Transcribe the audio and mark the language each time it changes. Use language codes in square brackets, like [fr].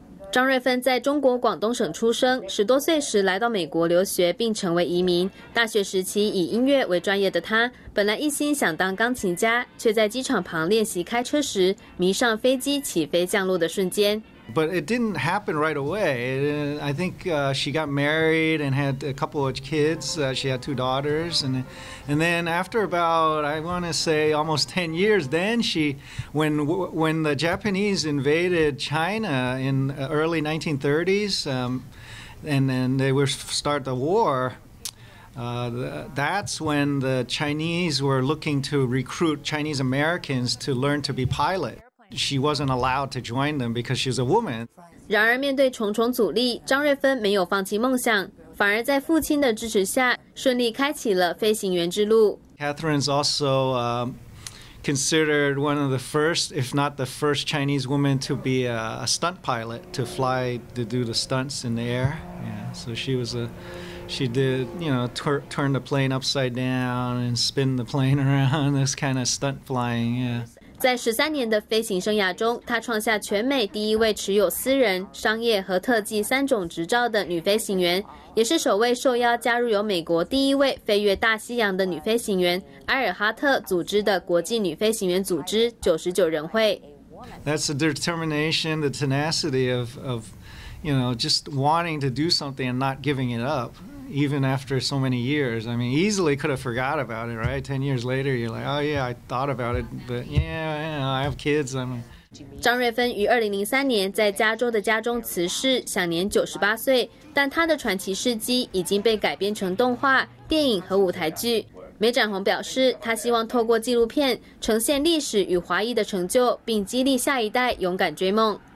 [zh] 张瑞芬在中国广东省出生，10多岁时来到美国留学并成为移民。大学时期以音乐为专业的他，本来一心想当钢琴家，却在机场旁练习开车时迷上飞机起飞降落的瞬间。 [en] But it didn't happen right away. I think she got married and had a couple of kids. She had 2 daughters. And then after about, I want to say, almost 10 years, then she, when the Japanese invaded China in early 1930s, and then they were start the war, that's when the Chinese were looking to recruit Chinese Americans to learn to be pilots. She wasn't allowed to join them because she's a woman. [zh] 然而面对重重阻力，张瑞芬没有放弃梦想，反而在父亲的支持下顺利开启了飞行员之路。 [en] Catherine's also considered one of the first, if not the first Chinese woman to be a stunt pilot, to fly, to do the stunts in the air. Yeah, so she was turn the plane upside down and spin the plane around, this kind of stunt flying, yeah. [zh] 在13年的飞行生涯中，她创下全美第一位持有私人、商业和特技3种执照的女飞行员，也是首位受邀加入由美国第一位飞越大西洋的女飞行员埃尔哈特组织的国际女飞行员组织99人会。 [en] That's the determination, the tenacity of you know, just wanting to do something and not giving it up. Even after so many years, I mean, easily could have forgot about it, right? 10 years later, you're like, oh yeah, I thought about it, but yeah, I have kids. I mean, [zh] 张瑞芬于2003年在加州的家中辞世，享年98岁。但她的传奇事迹已经被改编成动画、电影和舞台剧。梅展宏表示，他希望透过纪录片呈现历史与华裔的成就，并激励下一代勇敢追梦。